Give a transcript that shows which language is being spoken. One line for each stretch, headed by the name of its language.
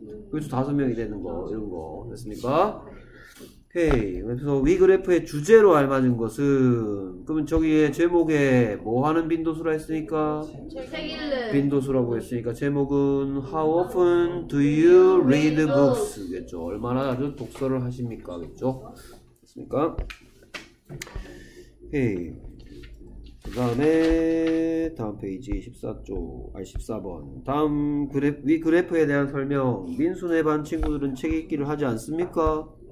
Korean: 그래서 5명이 되는 거 이런 거 됐습니까 오케이 그래서 위 그래프의 주제로 알맞은 것은 그러면 저기에 제목에 뭐 하는 빈도수라 했으니까 책 읽는 빈도수라고 했으니까 제목은
English: How often do you read books?
Korean: 겠죠 얼마나 자주 독서를 하십니까? 겠죠 됐습니까? 오케이 그 다음에 다음 페이지 14번 다음 그래프 위 그래프에 대한 설명 민순의 반 친구들은 책 읽기를 하지 않습니까?